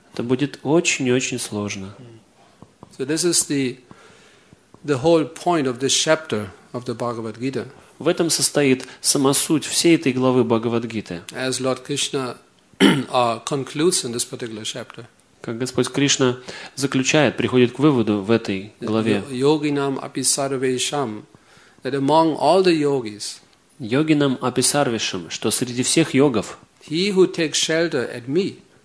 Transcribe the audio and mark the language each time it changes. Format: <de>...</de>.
<ru>Это будет очень-очень сложно.</ru> <en>So this is the whole point of this chapter of the Bhagavad Gita.</en> <ru>В этом состоит сама суть всей этой главы Бхагавад Гиты.</ru> <en>As Lord Krishna concludes in this particular chapter.</en> <ru>Как Господь Кришна заключает, приходит к выводу в этой главе.</ru> <sa>Yoginam apisarvesham,</sa> <en>that among all the yogis.</en> <sa>Yoginam apisarvesham,</sa> <ru>что среди всех йогов.</ru> <en>He who takes shelter at me.</en>